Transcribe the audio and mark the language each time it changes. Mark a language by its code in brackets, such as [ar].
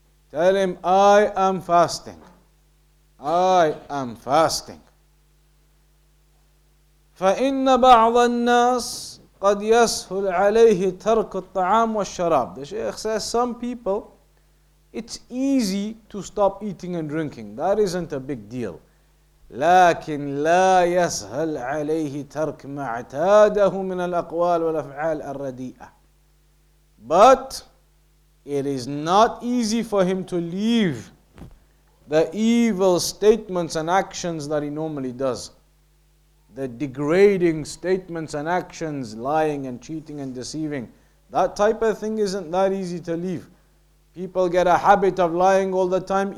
[en] Tell him, I am fasting. I am fasting. [ar] فَإِنَّ بَعْضَ النَّاسِ قَدْ يَسْهُلْ عَلَيْهِ تَرْكُ الطَّعَامُ وَالشَّرَابِ. [en] The Shaykh says, some people, it's easy to stop eating and drinking. That isn't a big deal. [ar] لكن لا يسهل عليه ترك ما اعتاده من الأقوال والأفعال الرديئة. [en] But it is not easy for him to leave the evil statements and actions that he normally does. The degrading statements and actions, lying and cheating and deceiving. That type of thing isn't that easy to leave. People get a habit of lying all the time.